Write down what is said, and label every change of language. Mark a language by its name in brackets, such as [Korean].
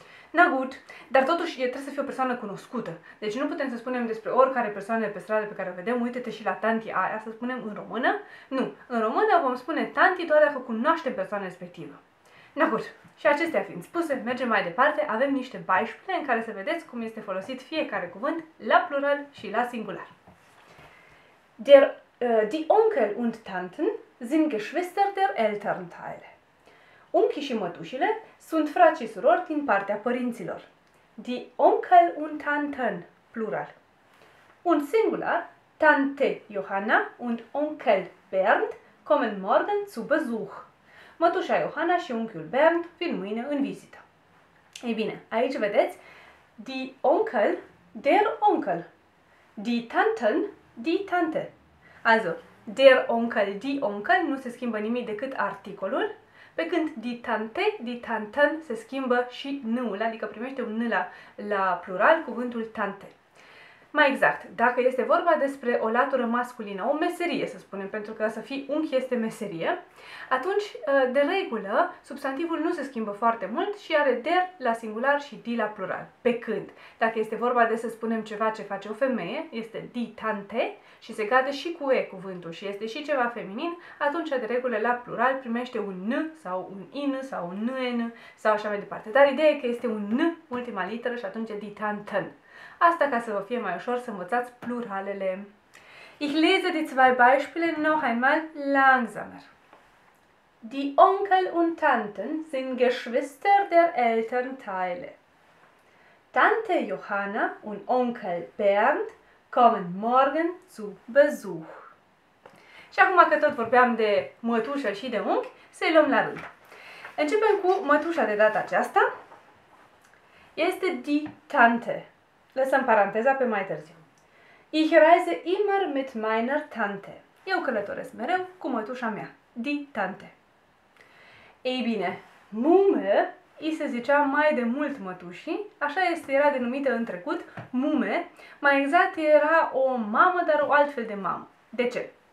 [German] Na gut, [Romanian] dar totuși trebuie să fie o persoană cunoscută. Deci nu putem să spunem despre oricare persoană de pe stradă pe care o vedem, uite-te și la tanti aia, să spunem în română. Nu, în română vom spune tanti doar dacă cunoaștem persoana respectivă. [German] Na gut. [Romanian] Și acestea fiind spuse, mergem mai departe, avem niște beispiele în care să vedeți cum este folosit fiecare cuvânt la plural și la singular. [German] Die Onkel und Tanten sind Geschwister der Elternteile. [Romanian] Unchi și mătușile sunt frați și surori din partea părinților. [German] Die Onkel und Tanten, plural. [Romanian] Un singular, [German] Tante Johanna und Onkel Bernd kommen morgen zu Besuch. [Romanian] Mătușa Johanna și unchiul Bernd vin mâine în vizită. Ei bine, aici vedeți, [German] die Onkel, der Onkel. Die Tanten, die Tante. Also, der Onkel, die Onkel [Romanian] nu se schimbă nimic decât articolul, pe când [German] die Tante, die Tanten [Romanian] se schimbă și n-ul, adică primește un n la plural, cuvântul Tante. Mai exact, dacă este vorba despre o latură masculină, o meserie, să spunem, pentru că să fii unchi este meserie, atunci, de regulă, substantivul nu se schimbă foarte mult și are der la singular și di la plural. Pe când, dacă este vorba de să spunem ceva ce face o femeie, este di tante și se gade și cu e cuvântul și este și ceva feminin, atunci, de regulă, la plural primește un n sau un in sau un n sau așa mai departe. Dar ideea e că este un n, ultima literă, și atunci di tanten. Asta ca să vă fie mai ușor să învățați pluralele. [German] Ich lese die zwei Beispiele noch einmal langsamer. Die Onkel und Tanten sind Geschwister der Elternteile. Tante Johanna und Onkel Bernd kommen morgen zu Besuch. [Romanian] Și acum că tot vorbeam de mătușă și de unchi, să-i luăm la rând. Începem cu mătușa de data aceasta. Este die Tante. Lăsăm paranteza pe mai târziu. [German] Ich reise immer mit meiner Tante. [Romanian] Eu călătoresc mereu cu mătușa mea, die Tante. Ei bine, Mume îi se zicea mai de mult mătușii, așa este, era denumită în trecut, Mume. Mai exact era o mamă, dar o altfel de mamă. De ce?